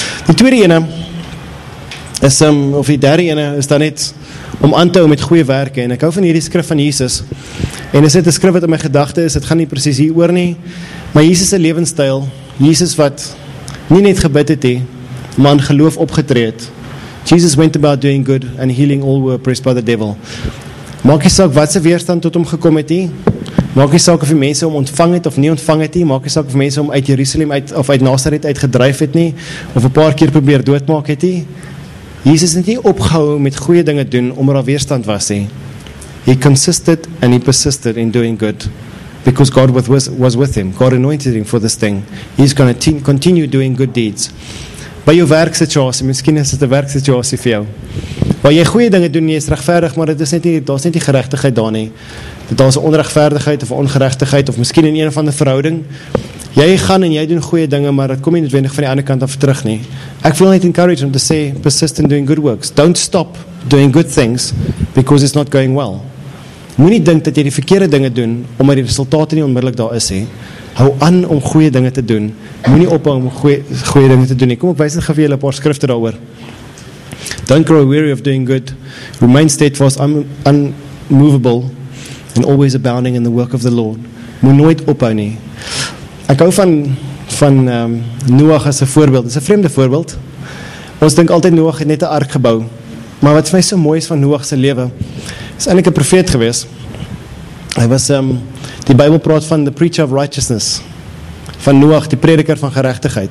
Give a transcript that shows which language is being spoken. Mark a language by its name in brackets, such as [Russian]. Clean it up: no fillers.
[Afrikaans] Die tweede ene is, of die derde ene is dan net om aan te hou met goeie werke. En ek hou van hierdie skrif van Jesus. En is dit 'n skrif wat in my gedagte is, het gaan nie precies hier oor nie. Maar Jesus se lewenstyl, Jesus wat nie net gebid het nie, maar in geloof opgetree het. [English] Jesus went about doing good and healing all who were oppressed by the devil. [Afrikaans] Maak nie saak wat se weerstand tot hom gekom het nie. Maak nie saak of die mense hom ontvang het of nie ontvang het nie. Maak nie saak of mense hom uit Jerusalem uit of uit Nazareth uit gedryf het nie of 'n paar keer probeer doodmaak het nie. Jesus het nie opgehou met goeie dinge doen omdat daar weerstand was nie. [English] He consisted and he persisted in doing good because God was with him. God anointed him for this thing. He's going to continue doing good deeds. [Afrikaans] By jou werksituasie, miskien is dit 'n werksituasie vir jou. Waar jy goeie dinge doen, jy is regverdig, maar dit is net nie, daar's net nie geregtigheid daar nie. Dit daar's 'n onregverdigheid of ongeregtigheid of miskien in een van die verhouding. Jy gaan en jy doen goeie dinge, maar dit kom nie noodwendig van die ander kant af terug nie. Ek wil net encourage om te sê, [English] persist in doing good works. Don't stop doing good things because it's not going well. [Afrikaans] Moenie dink dat jy die verkeerde dinge doen omdat die resultate nie onmiddellik daar is nie. Hou aan om goeie dinge te doen. Moenie ophou om goeie dinge te doen nie. Kom ek wys net vir julle 'n paar skrifte daaroor. [English] Don't grow weary of doing good. Remain steadfast, unmovable and always abounding in the work of the Lord. [Afrikaans] Moenie nooit ophou nie. Ek hou van Noag as 'n voorbeeld. Dis 'n vreemde voorbeeld. Ons dink altyd Noag het net 'n ark gebou. Maar wat vir my so mooi is van Noag se lewe, is eintlik 'n profeet gewees. Hy was die Bybel praat van [English] the preacher of righteousness, [Afrikaans] van Noag, die prediker van geregtigheid.